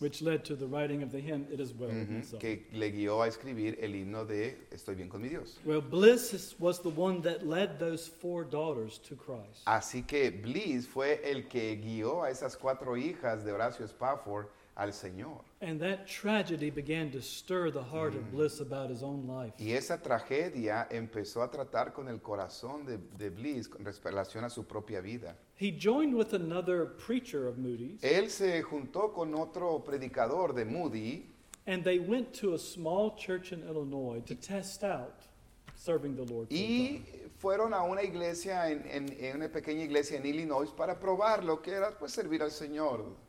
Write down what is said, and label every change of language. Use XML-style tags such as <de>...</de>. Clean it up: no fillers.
<en>Which led to the writing of the hymn, It Is Well With My Soul.</en> <es>Que le guió a escribir el himno de Estoy bien con mi Dios.</es> <en>Well, Bliss was the one that led those four daughters to Christ.</en> <es>Así que Bliss fue el que guió a esas cuatro hijas de Horacio Spafford al Señor.</es> <en>And that tragedy began to stir the heart of Bliss about his own life.</en> <es>Y esa tragedia empezó a tratar con el corazón de Bliss con relación a su propia vida.</es> <en>He joined with another preacher of Moody's.</en> <es>Él se juntó con otro predicador de Moody.</es> <en>And they went to a small church in Illinois to test out serving the Lord.</en> <es>Y fueron a una iglesia en una pequeña iglesia en Illinois para probar lo que era pues servir al Señor.</es>